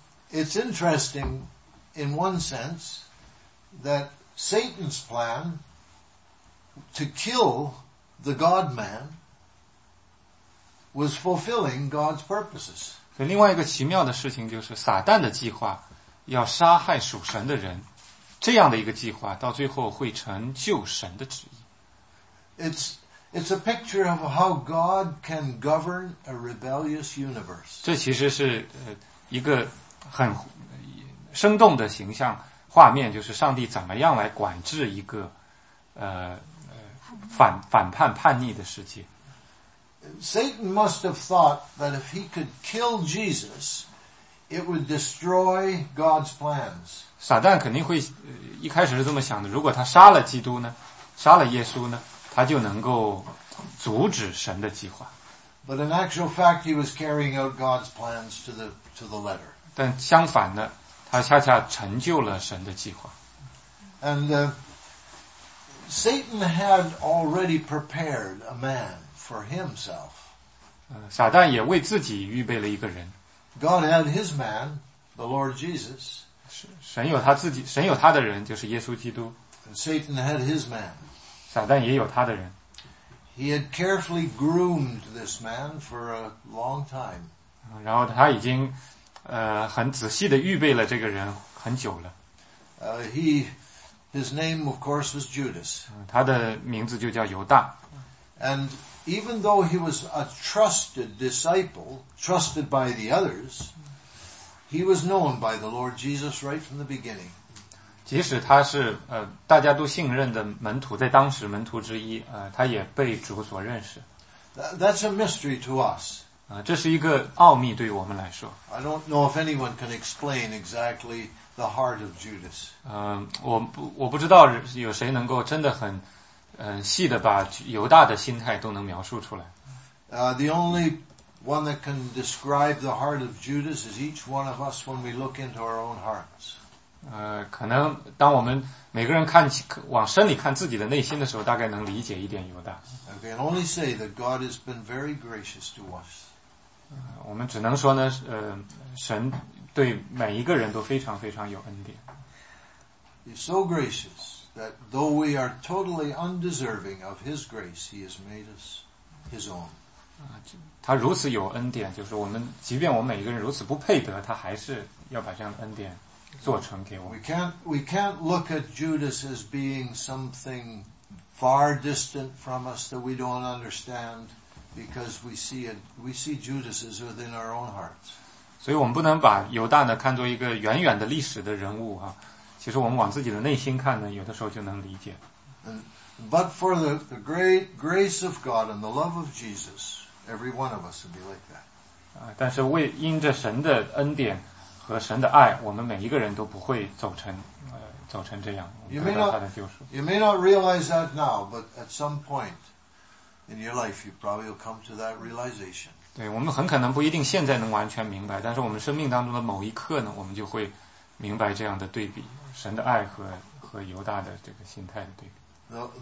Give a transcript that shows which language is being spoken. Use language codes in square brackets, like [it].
[en] It's interesting in one sense that. Satan's plan to kill the God-man was fulfilling God's purposes. [zh] 所以另外一个奇妙的事情就是撒旦的计划要杀害属神的人，这样的一个计划到最后会成就神的旨意。 [en] It's a picture of how God can govern a rebellious universe. [zh] 这其实是一个很生动的形象画面，就是上帝怎么样来管制一个反叛叛逆的世界。 [en] Satan must have thought that if he could kill Jesus, it would destroy God's plans. [zh] 撒旦肯定会一开始是这么想的，如果他杀了基督呢，杀了耶稣呢，他就能够阻止神的计划。 [en] But in actual fact, he was carrying out God's plans to the letter. [zh] 但相反呢，他恰恰成就了神的计划。 [en] And Satan had already prepared a man for himself. [zh] 撒旦也为自己预备了一个人。 [en] God had his man, the Lord Jesus. [zh] 神有他自己，神有他的人，就是耶稣基督。 [en] And Satan had his man. [zh] 撒旦也有他的人。 [en] He had carefully groomed this man for a long time. [zh] 然后他已经很仔细地预备了这个人很久了。 [en] His name, of course, was Judas. [zh] 他的名字就叫犹大。 [en] And even though he was a trusted disciple, trusted by the others, he was known by the Lord Jesus right from the beginning. [zh] 即使他是大家都信任的门徒，在当时门徒之一，他也被主所认识。 [en] That's a mystery to us. [zh] 这是一个奥秘对于我们来说。 [en] I don't know if anyone can explain exactly the heart of Judas. [zh] 我不知道有谁能够真的很细的把犹大的心态都能描述出来。 [en] The only one that can describe the heart of Judas is each one of us when we look into our own hearts. [zh] 可能当我们每个人看往深里看自己的内心的时候，大概能理解一点犹大。 [en] I can only say that God has been very gracious to us. [zh] 我们只能说呢，神对每一个人都非常非常有恩典。 [en] He's so gracious that though we are totally undeserving of His grace, He has made us His own. [zh] 他如此有恩典，就是我们即便我们每一个人如此不配得，他还是要把这样的恩典做成给我们。 [en] We can't look at Judas as being something far distant from us that we don't understand, because we see Judas is within our own hearts. [zh] 所以我们不能把犹大呢看作一个远远的历史的人物啊，其实我们往自己的内心看呢，有的时候就能理解。 [en] But for the great grace of God and the love of Jesus, every one of us would be like that. [zh] 但是为因着神的恩典和神的爱，我们每一个人都不会走成这样，得到他的救赎。 [en] You may not realize that now, but at some point in your life, you probably will come to that realization. [zh] 对，我们很可能不一定现在能完全明白，但是我们生命当中的某一刻呢，我们就会明白这样的对比，神的爱和犹大的这个心态的对比。